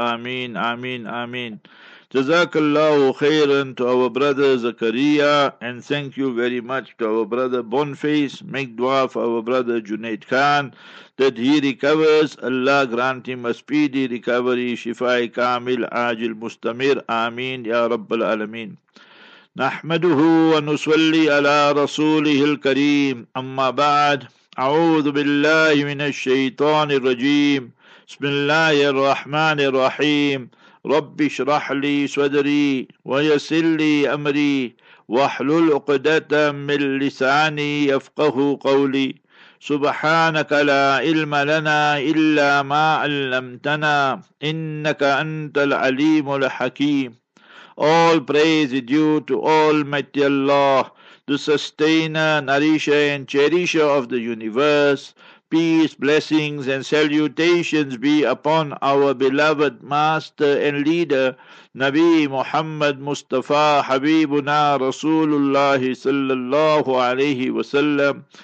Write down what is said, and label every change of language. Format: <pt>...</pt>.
<ar>آمین آمین آمین. جزاک اللہ خیرن</ar> <en>To our brother Zakariya, and thank you very much to our brother Boniface. Make دعا for our brother Junaid Khan that he recovers. اللہ grant him speedy recovery,</en> <ur>شفائے کامل عاجل مستمر.</ur> <ar>آمین یا رب العالمین. نحمده ونصلي على رسوله الكريم، اما بعد، اعوذ بالله من الشيطان الرجيم. بسم الله الرحمن الرحيم. رب اشرح لي صدري ويسر لي امري واحلل عقدة من لساني يفقهوا قولي. سبحانك لا علم لنا الا ما علمتنا انك انت العليم الحكيم.</ar> <en>All praise is due to Almighty Allah, the sustainer, nourisher and cherisher of the universe. Peace, blessings and salutations be upon our beloved master and leader, Nabi Muhammad Mustafa Habibuna Rasulullah sallallahu alayhi wa sallam.</en>